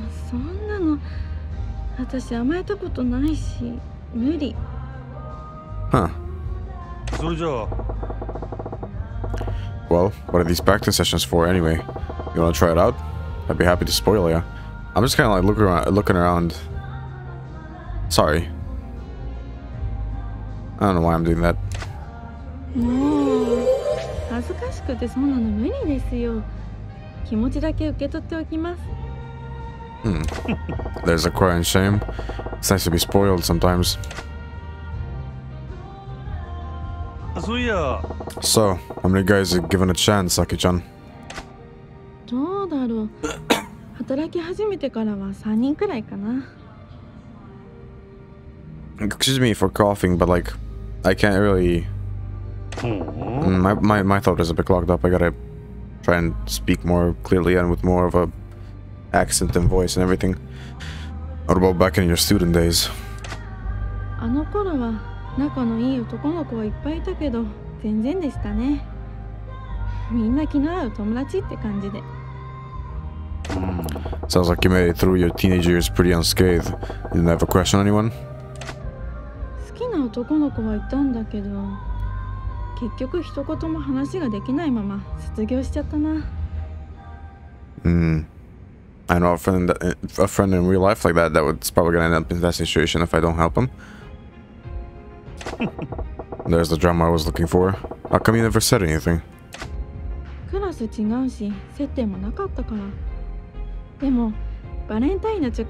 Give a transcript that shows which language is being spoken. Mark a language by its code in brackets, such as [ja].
[ja] そんなの、私甘えたことないし、無理。 [en] Huh. Well, what are these practice sessions for anyway? You want to try it out? I'd be happy to spoil you. I'm just kind of like looking around. Sorry. I don't know why I'm doing that. No, [ja] 恥ずかしくてそんなの無理ですよ。気持ちだけ受け取っておきます。 [en] There's a crying shame. It's nice to be spoiled sometimes. So, how many guys are given a chance, Saki-chan? [ja] どうだろう。働き始めてからは3人くらいかな。 [en] Excuse me for coughing, but like, I can't really... My throat is a bit clogged up. I gotta try and speak more clearly and with more of a accent and voice and everything. What about back in your student days? [ja] あの頃は仲のいい男の子はいっぱいいたけど、全然でしたね。みんな気の合う友達って感じで。 [en] Sounds like you made it through your teenage years pretty unscathed. You never question anyone? [ja] 好きな男の子はいたんだけど、結局一言も話ができないまま卒業しちゃったな。 [en] I know a friend in real life like that, that would probably gonna end up in that situation if I don't help him. There's the drama I was looking for. How come you never said anything? Class is different, and there was no setting. But I got the Valentine's check.